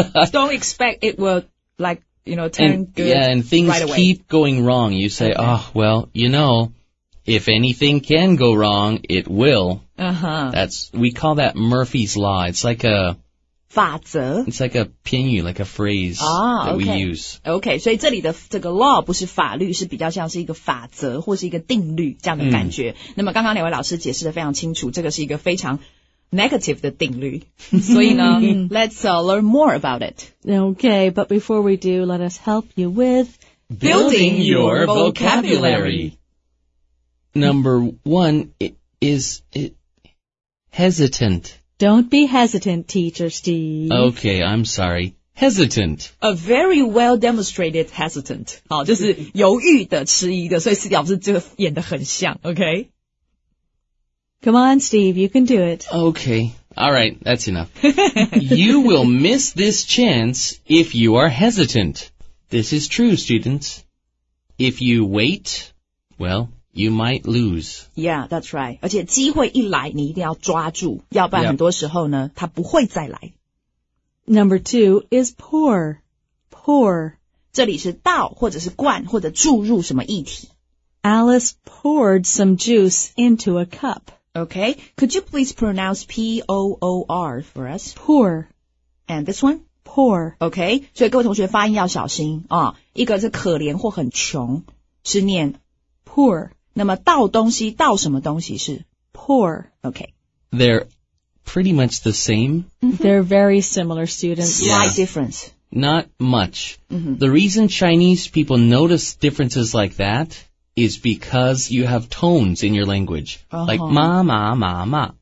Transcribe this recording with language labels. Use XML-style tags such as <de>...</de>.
<en>Don't expect it will, like, you know, turn good right away. Yeah, and things keep going wrong. You say, oh, well, you know, if anything can go wrong, it will. Uh-huh. We call that Murphy's Law. It's like a...</en> <zh>法则</zh> <en>It's like a</en> <zh>偏语,</zh> <en>like a phrase、 that we use.</en> <zh>Okay, 所以这里的这个 law 不是法律，是比较像是一个法则或是一个定律这样的感觉。那么刚刚两位老师解释的非常清楚，这个是一个非常 negative 的定律。所以呢，</zh> <en>let's learn more about it. Okay, but before we do, let us help you with building your vocabulary. Number one is hesitant. Don't be hesitant, Teacher Steve. Okay, I'm sorry. Hesitant. A very well demonstrated hesitant.</en> <zh>好，就是犹豫的、迟疑的，所以Steve老师就演得很像。</zh> <en>Okay. Come on, Steve, you can do it. Okay. All right, that's enough. You will miss this chance if you are hesitant. This is true, students. If you wait, well... You might lose. Yeah, that's right.</en> <zh>而且机会一来你一定要抓住。要不然很多时候呢它不会再来。</zh> <en>Number two is pour. Pour.</en> <zh>这里是倒或者是灌或者注入什么液体。</zh> <en>Alice poured some juice into a cup. Okay. Could you please pronounce P-O-O-R for us? Pour. And this one? Pour. Okay.</en> <zh>所以各位同学发音要小心。哦、一个是可怜或很穷是念</zh> <en>pour.</en> <zh>那么倒东西倒什么东西是</zh> <en>pour okay they're pretty much the same、 mm-hmm. they're very similar students slight、yeah. difference not much、 mm-hmm. the reason Chinese people notice differences like that is because you have tones in your language、 uh-huh. like ma ma ma ma</en>